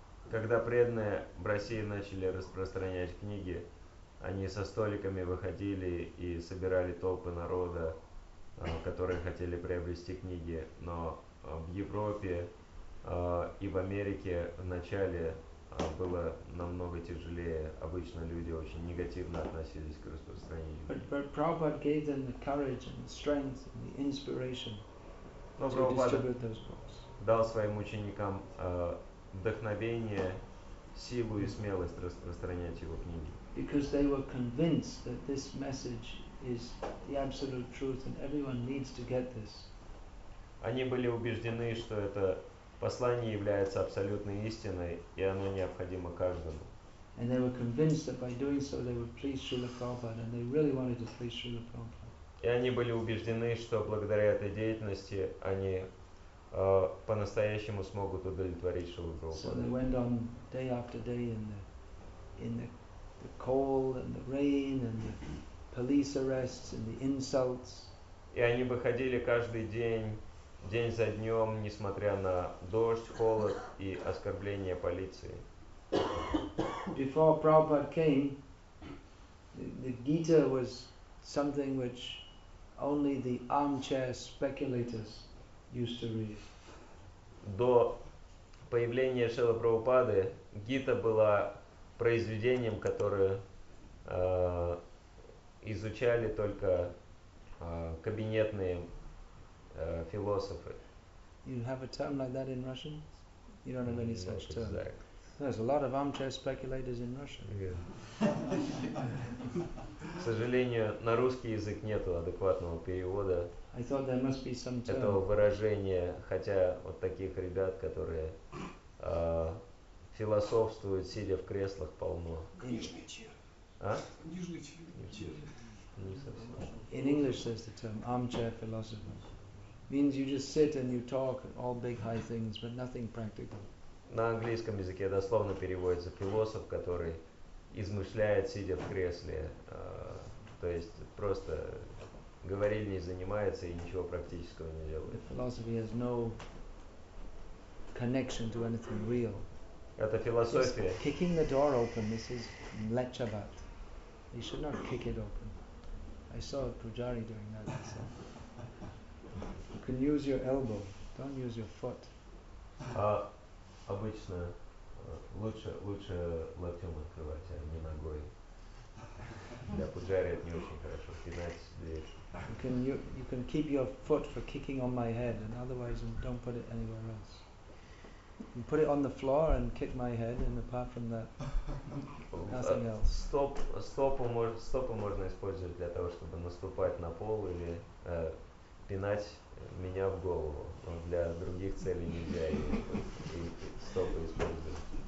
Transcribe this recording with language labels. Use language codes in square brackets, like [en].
[ru] Когда преданные в России начали распространять книги, они со столиками выходили и собирали толпы народа, которые хотели приобрести книги. Но в Европе и в Америке вначале было намного тяжелее. Обычно люди очень негативно относились к распространению книг. [en] But Prabhupada gave them the courage and the strength and the inspiration to distribute those books. [ru] Дал своим ученикам вдохновение, силу и смелость распространять его книги. [en] Because they were convinced that this message is the absolute truth and everyone needs to get this. [ru] Они были убеждены, что это послание является абсолютной истиной и оно необходимо каждому. [en] And they were convinced that by doing so they would please Srila Prabhupada, and they really wanted to please Srila Prabhupada. [ru] И они были убеждены, что благодаря этой деятельности они по-настоящему смогут удовлетворить Шрилу Прабхупаду. [en] So they went on day after day in the cold and the rain and the police arrests and the insults. [ru] И они выходили каждый день за днем, несмотря на дождь, холод и оскорбления полиции. [en] Before Prabhupada came, the Gita was something which only the armchair speculators used to read. [ru] До появления Шрилы Прабхупады Гита была произведением, которое изучали только кабинетные философы. [en] You have a term like that in Russian? You don't have any such term. There's a lot of armchair speculators in Russian. [ru] К сожалению, на русский язык нету адекватного перевода. [en] I thought there must be some term. [ru] Этого выражения, хотя вот таких ребят, которые философствуют, сидя в креслах, полно. Книжный чир. А? Книжный чир. Не совсем. [en] In English there's the term armchair philosopher. Means you just sit and you talk all big high things, but nothing practical. [ru] На английском языке дословно переводится философ, который измышляет, сидя в кресле. То есть просто говорить не занимается и ничего практического не делает. [en] Philosophy has no connection to anything real. [ru] Это философия. [en] He's kicking the door open, this is lechabat. You should not kick it open. I saw a pujari doing that. So. You can use your elbow, don't use your foot. [ru] Обычно лучше локтем открывать, а не ногой. Для пуджари это не очень хорошо, пинать дверь. [en] You can keep your foot for kicking on my head, and otherwise don't put it anywhere else. You put it on the floor and kick my head, and apart from that, nothing else. [ru] Стопу можно использовать для того, чтобы наступать на пол или пинать меня в голову. Но для других целей нельзя и стопы использовать.